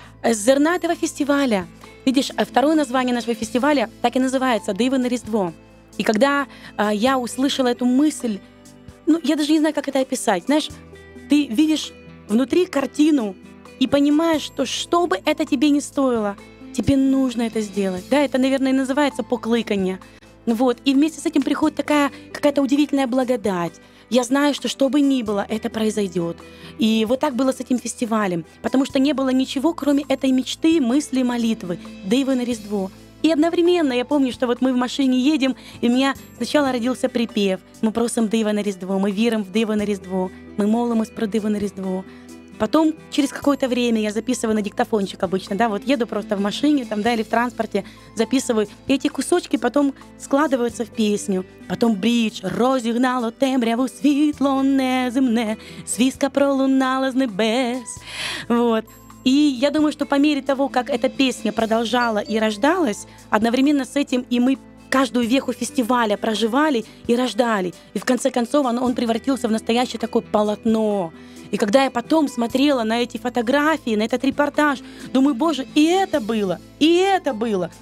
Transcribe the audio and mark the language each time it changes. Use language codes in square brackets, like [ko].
[uk] З зерна цього фестивалю. Видиш, [ru] второе название [uk] нашого фестивалю так і називається – диво на Різдво. І коли я услышала цю мисль, ну, я навіть не знаю, як це описати. Знаєш, ти видиш внутрі картину і розумієш, що б це тобі не стоило, [ru] тебе нужно это сделать. Да, это, наверное, называется покликання. Вот. И вместе с этим приходит такая какая-то удивительная благодать. Я знаю, что бы ни было, это произойдет. И вот так было с этим фестивалем. Потому что не было ничего, кроме этой мечты, мысли, молитвы. Диво на Різдво. И одновременно я помню, что вот мы в машине едем, и у меня сначала родился припев. Мы просим диво на Різдво, мы верим в диво на Різдво. Мы молимся про диво на Різдво. Потом, через какое-то время, я записываю на диктофончик обычно, да, вот еду просто в машине там, да, или в транспорте, записываю. И эти кусочки потом складываются в песню. [uk] Потом бридж розігнало темряву, світло неземне, свіска пролунала з небес. [ru] Вот. И я думаю, что по мере того, как эта песня продолжала и рождалась, одновременно с этим и мы каждую веху фестиваля проживали и рождали. И в конце концов он превратился в настоящее такое полотно. И когда я потом смотрела на эти фотографии, на этот репортаж, думаю, боже, и это было, и это было.